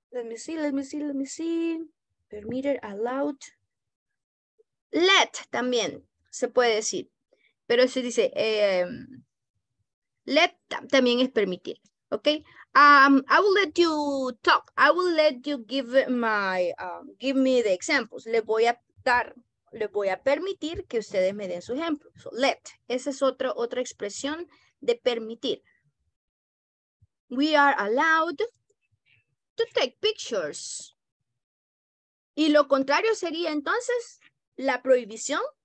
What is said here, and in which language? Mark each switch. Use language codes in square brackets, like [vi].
[en] Let me see, permitted, allowed, let, [es] también se puede decir. Pero se dice, let también es permitir, ¿ok? [en] I will let you talk. I will let you give me the examples. [es] Les voy a permitir que ustedes me den su ejemplo. [en] So, [es] let, esa es otra expresión de permitir. [en] We are allowed to take pictures. [es] Y lo contrario sería entonces la prohibición.